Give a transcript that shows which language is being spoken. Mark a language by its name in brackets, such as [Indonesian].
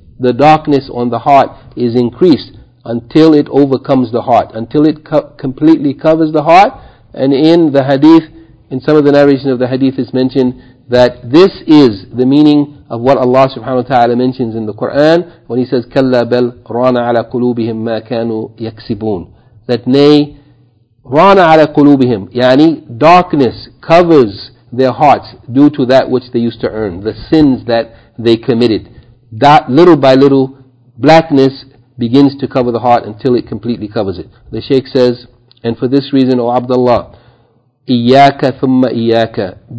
[English] The darkness on the heart is increased until it overcomes the heart, until it completely covers the heart. And in the hadith, in some of the narration of the hadith, is mentioned that this is the meaning of what Allah subhanahu wa ta'ala mentions in the Quran when he says, [Arabic] "Kalla bal rana ala qulubihim ma kanu yaksibun." [English] That nay, [Arabic] رَانَ عَلَى قُلُوبِهِمْ. [English] Yani, darkness covers their hearts due to that which they used to earn, the sins that they committed. That little by little, blackness begins to cover the heart until it completely covers it. The Shaykh says, and for this reason, O Abdullah, [Arabic] إِيَّاكَ ثُمَّ إِيَّاكَ.